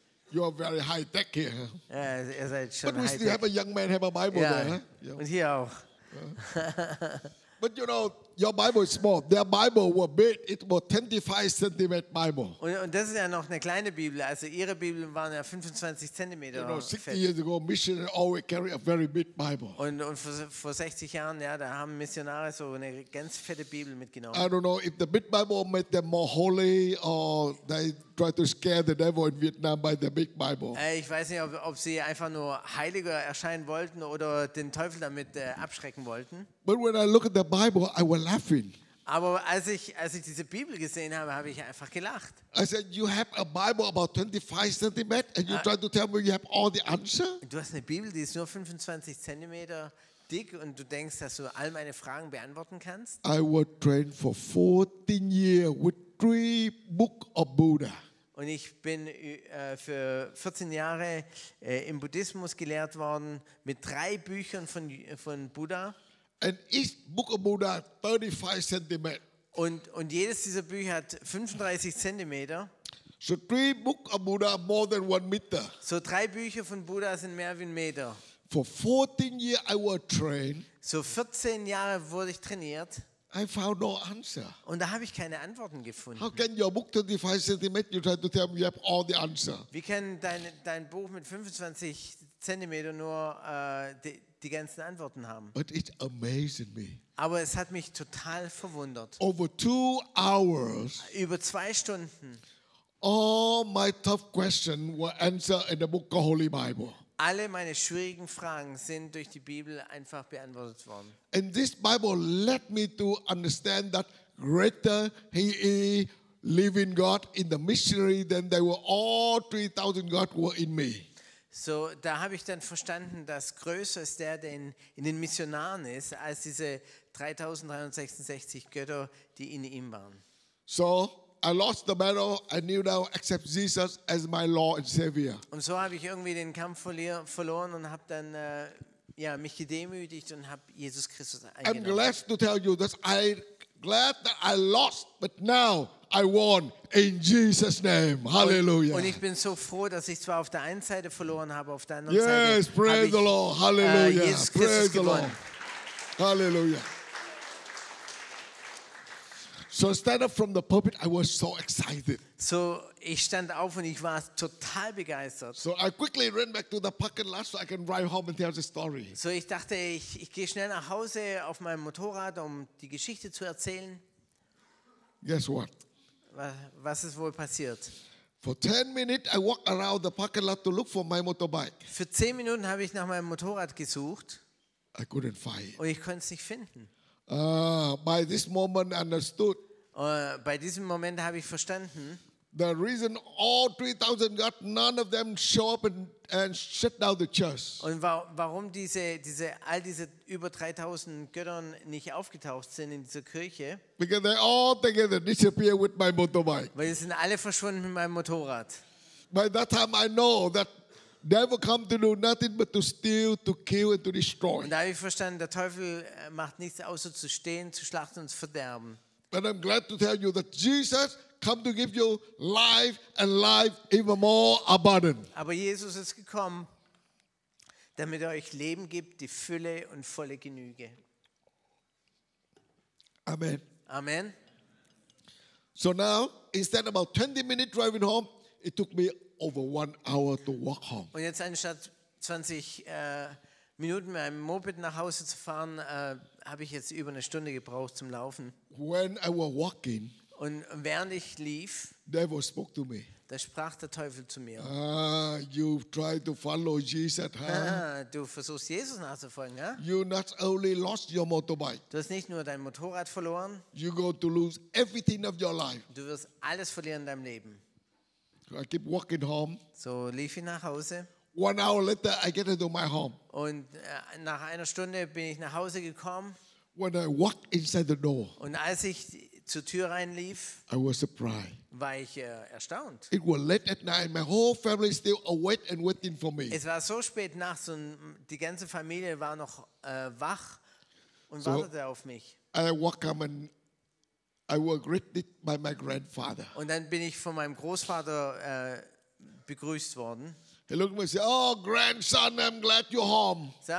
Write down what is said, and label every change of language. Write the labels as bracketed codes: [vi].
[en] You are very high tech here. Huh? [de] Yeah, ihr seid schon [en] but we still high-tech. Have a young man have a Bible yeah. There. Huh? [de] Yeah. Und hier auch. [en] But you know, your Bible is small. Their Bible was big. It was 25-centimeter Bible. [de] Und das ist ja noch eine kleine Bibel. Also ihre Bibeln waren ja 25 Zentimeter. [en] You know, 60 years ago, missionaries always carry a very big Bible. [de] Und vor 60 Jahren, ja, da haben Missionare so eine ganz fette Bibel mitgenommen. [en] I don't know if the big Bible made them more holy or they try to scare the devil in Vietnam by the big Bible. [de] Ich weiß nicht, ob sie einfach nur heiliger erscheinen wollten oder den Teufel damit abschrecken wollten. [en] But when I look at the Bible, I was laughing. [de] Aber als ich diese Bibel gesehen habe, habe ich einfach gelacht. [en] I said, you have a Bible about 25 centimeters and you try to tell me you have all the answer? [de] Du hast eine Bibel, die ist nur 25 Zentimeter dick und du denkst, dass du all meine Fragen beantworten kannst? [en] I was trained for 14 years with 3 books of Buddha. [de] Und ich bin für 14 Jahre im Buddhismus gelehrt worden mit 3 Büchern von Buddha. [en] And each book of Buddha 35 centimeters. [de] Und jedes dieser Bücher hat 35 Zentimeter. [en] So 3 books of Buddha more than 1 meter. [de] So 3 Bücher von Buddha sind mehr wie 1 Meter. [en] For 14 years I was trained. [de] So 14 Jahre wurde ich trainiert. [en] I found no answer. [de] Und da habe ich keine Antworten gefunden. [en] How can your book 35 centimeters? You try to tell me you have all the answer. [de] Wie kann dein Buch mit 25 Zentimeter nur die ganzen Antworten haben? [en] But it amazed me. [de] Aber es hat mich total verwundert. [en] Over 2 hours. [de] Über 2 Stunden. [en] All my tough questions were answered in the book of Holy Bible. [de] Alle meine schwierigen Fragen sind durch die Bibel einfach beantwortet worden. [en] And this Bible led me to understand that greater He is living God in the missionary than they were all 3,000 God were in me. [de] So, da habe ich dann verstanden, dass größer ist der, der in den Missionaren ist, als diese 3.366 Götter, die in ihm waren. [en] So, I lost the battle. I knew now accept Jesus as my Lord and Savior. [de] Und so habe ich irgendwie den Kampf verloren und habe dann ja, mich gedemütigt und habe Jesus Christus eingeladen. [en] I'm glad to tell you that I lost, but now I won in Jesus' name. Hallelujah. [de] Und ich bin so froh, dass ich zwar auf der einen Seite verloren habe, auf der anderen [en] yes, [de] Seite. [en] Yes, praise [de] habe ich, [en] the Lord. Hallelujah. [de] Jesus Christus [en] praise [de] gewonnen. [en] The Lord. Hallelujah. So stand up from the pulpit, I was so excited. [de] So ich stand auf und ich war total begeistert. [en] So I quickly ran back to the parking lot so I can drive home and tell the story. [de] So ich dachte, ich gehe schnell nach Hause auf meinem Motorrad, um die Geschichte zu erzählen. [en] Guess what? [de] Was ist wohl passiert? [en] For 10 minutes I walked around the parking lot to look for my motorbike. [de] Für 10 Minuten habe ich nach meinem Motorrad gesucht. [en] I couldn't find. [de] Und ich konnte es nicht finden. [en] By this moment understood. [de] Bei diesem Moment habe ich verstanden. [en] The reason all 3,000 got none of them show up and shut down the church. [de] Und warum diese all diese über 3,000 Göttern nicht aufgetaucht sind in dieser Kirche? [en] Because they all together disappear with my motorbike. [de] Weil sie sind alle verschwunden mit meinem Motorrad. [en] By that time I know that. Devil come to do nothing but to steal, to kill and to destroy. [de] Und da habe ich verstanden, der Teufel macht nichts außer zu stehen, zu schlachten und zu verderben. [en] But I'm glad to tell you that Jesus come to give you life and life even more abundant. [de] Aber Jesus ist gekommen, damit er euch Leben gibt, die Fülle und volle Genüge. Amen. Amen. [en] So now, instead of about 20 minutes driving home, it took me over 1 hour to walk home. [de] Und jetzt anstatt 20 Minuten mit einem Moped nach Hause zu fahren, habe ich jetzt über eine Stunde gebraucht zum Laufen. [en] When I was walking, [de] und während ich lief, [en] devil spoke to me. [de] Da sprach der Teufel zu mir. [en] You try to follow Jesus, huh? [de] Du versuchst Jesus nachzufolgen, ja? [en] You not only lost your motorbike. [de] Du hast nicht nur dein Motorrad verloren. [en] You go to lose everything of your life. [de] Du wirst alles verlieren in deinem Leben. [en] I keep walking home. [de] So lief ich nach Hause. [en] 1 hour later, I get into my home. [de] Und nach einer Stunde bin ich nach Hause gekommen. [en] When I walked inside the door. [de] Und als ich zur Tür reinlief, [en] I was surprised. [de] War ich erstaunt. [en] It was late at night. My whole family is still awake and waiting for me. [de] Es war so spät nachts und die ganze Familie war noch wach und so wartete auf mich. [en] I walk home and I was greeted by my grandfather. [de] Und dann bin ich von meinem Großvater begrüßt worden. [en] He looked at me and said, "Oh, grandson, I'm glad you're home."